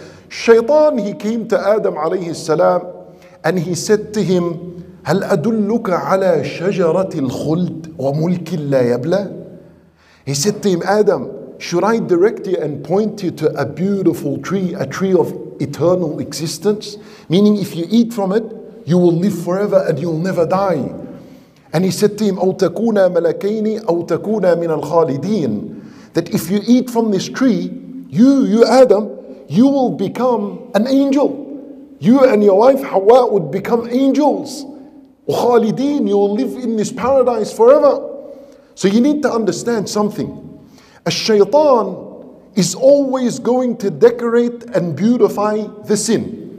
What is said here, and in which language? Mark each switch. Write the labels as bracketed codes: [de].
[en] Shaytan, he came to Adam alayhi salam and he said to him, [ar] هَلْ أَدُلُّكَ عَلَى شَجَرَةِ الْخُلْدِ وَمُلْكٍ لَا يَبْلَى. [en] He said to him, Adam, should I direct you and point you to a beautiful tree, a tree of eternal existence? Meaning if you eat from it, you will live forever and you'll never die. And he said to him, [ar] أَوْ تَكُونَ مَلَكَيْنِ أَوْ تَكُونَ مِنَ الْخَالِدِينَ. [en] That if you eat from this tree, you Adam, you will become an angel. You and your wife Hawa would become angels. وخالدين, you will live in this paradise forever. So you need to understand something. A shaytan is always going to decorate and beautify the sin.